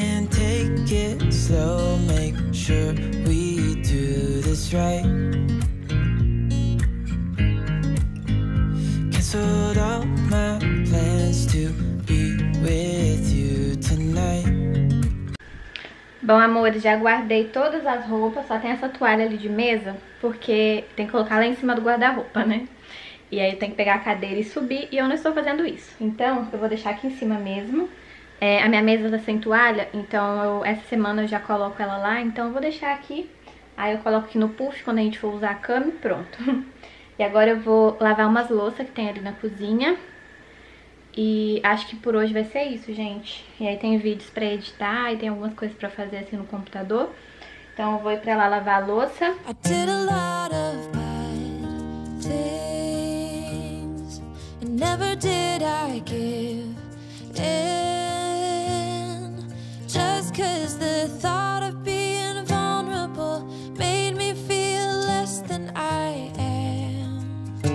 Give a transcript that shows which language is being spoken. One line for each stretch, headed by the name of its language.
English: take it slow, make sure we do this right. Canceled all my plans to be with you tonight.
Portuguese: Bom, amor, já guardei todas as roupas, só tem essa toalha ali de mesa, porque tem que colocar lá em cima do guarda-roupa, né? E aí eu tenho que pegar a cadeira e subir, e eu não estou fazendo isso. Então, eu vou deixar aqui em cima mesmo. É, a minha mesa tá sem toalha, então essa semana eu já coloco ela lá, então eu vou deixar aqui. Aí eu coloco aqui no puff, quando a gente for usar a cama, e pronto. E agora eu vou lavar umas louças que tem ali na cozinha. E acho que por hoje vai ser isso, gente. E aí tem vídeos pra editar e tem algumas coisas pra fazer assim no computador. Então eu vou ir pra lá lavar a louça.
English: I did a lot of bad things, and never did I give in. Just cause the thought of being vulnerable made me feel less than I am.